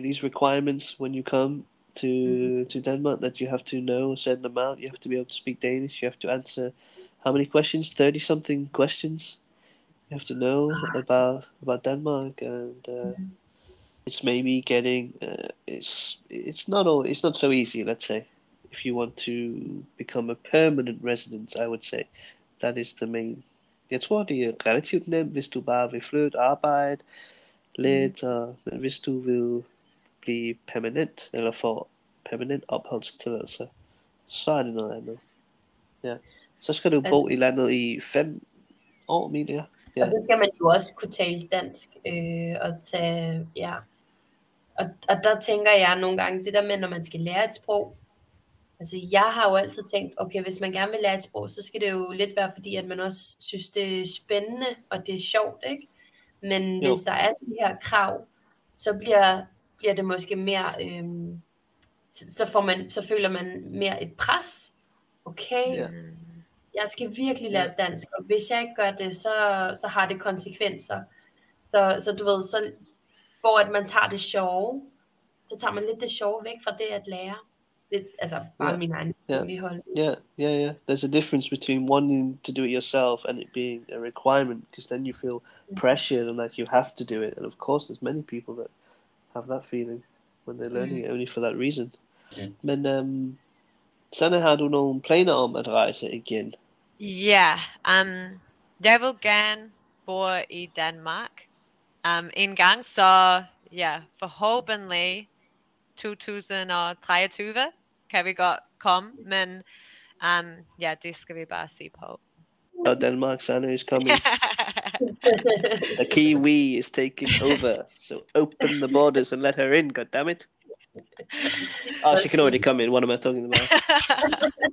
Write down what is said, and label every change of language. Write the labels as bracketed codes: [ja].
[en] These requirements, when you come to Denmark, that you have to know a certain amount, you have to be able to speak Danish, you have to answer how many questions? 30-something questions you have to know about Denmark and... It's maybe getting it's not so easy, let's say, if you want to become a permanent resident. I would say that is the main. [da] Jeg tror det er relativt nemt, hvis du bare vil flytte arbejde lidt, men hvis du vil blive permanent eller få permanent opholdstilladelse, så er det noget andet. Ja, så skal du bo i landet i 5 år, mener jeg. Ja. Og så skal man jo også kunne tale dansk og tage Og der tænker jeg nogle gange, det der med, når man skal lære et sprog. Altså, jeg har jo altid tænkt, okay, hvis man gerne vil lære et sprog, så skal det jo lidt være, fordi at man også synes, det er spændende, og det er sjovt, ikke? Men hvis der er de her krav, så bliver det måske mere, så føler man mere et pres. Okay, jeg skal virkelig lære dansk, og hvis jeg ikke gør det, så har det konsekvenser. Så du ved, så... Hvor at man tager det sjove, så tager man lidt det sjove væk fra det at lære. Det, altså bare min egen hold. [en] Yeah. There's a difference between wanting to do it yourself and it being a requirement, because then you feel pressured and like you have to do it. And of course, there's many people that have that feeling when they're learning it only for that reason. Yeah. [da] Men sådan, har du nogen planer om at rejse igen? Yeah, jeg vil gerne bo i Danmark. En gang, så forhåbentlig 2023 kan vi godt komme, men det skal vi bare se på. [en] Og Danmark, Sanne is coming. The Kiwi is taking over, so open the borders and let her in, goddammit. Oh, she can already come in. What am I talking about?